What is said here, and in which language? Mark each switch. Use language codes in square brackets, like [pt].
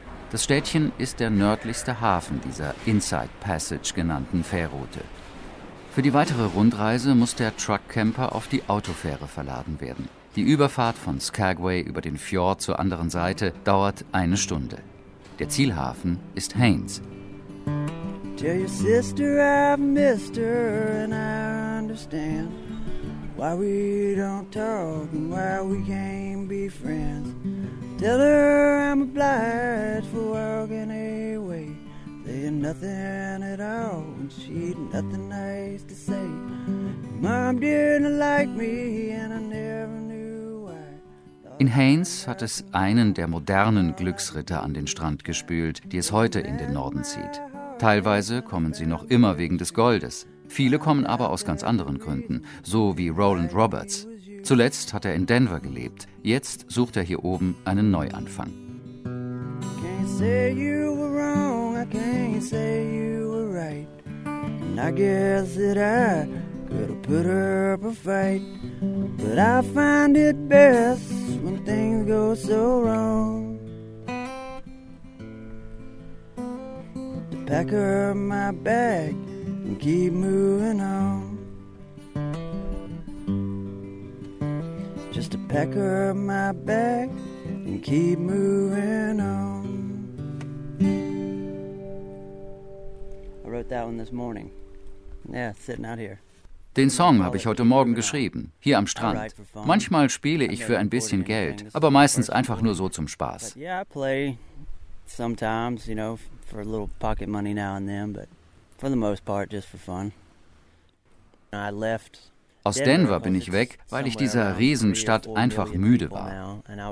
[de] Das Städtchen ist der nördlichste Hafen dieser Inside Passage genannten Fährroute. Für die weitere Rundreise muss der Truck-Camper auf die Autofähre verladen werden. Die Überfahrt von Skagway über den Fjord zur anderen Seite dauert eine Stunde. Der Zielhafen ist Haines. [en] Tell your sister I've missed her and I understand why we don't talk and why we can't be friends. Tell her I'm obliged for walking away. Saying nothing at all and she nothing nice to say. Mom didn't like me and I never knew why. [de] In Haines hat es einen der modernen Glücksritter an den Strand gespült, die es heute in den Norden zieht. Teilweise kommen sie noch immer wegen des Goldes. Viele kommen aber aus ganz anderen Gründen, so wie Roland Roberts. Zuletzt hat er in Denver gelebt. Jetzt sucht er hier oben einen Neuanfang. [en] Can't say you were wrong, I can't say you were right. And I guess that I could have put up a fight. But I find it best when things go so wrong. To pack up my bag and keep moving on. Just to pack up my bag and keep moving on. I wrote that one this morning. Yeah, sitting out here. [de] Den Song habe ich heute Morgen geschrieben, hier am Strand. Manchmal spiele ich für ein bisschen Geld, aber meistens einfach nur so zum Spaß. [en] Yeah, I play sometimes, you know, for a little pocket money now and then, but for the most part just for fun. I left. [de] Aus Denver bin ich weg, weil ich dieser Riesenstadt einfach müde war.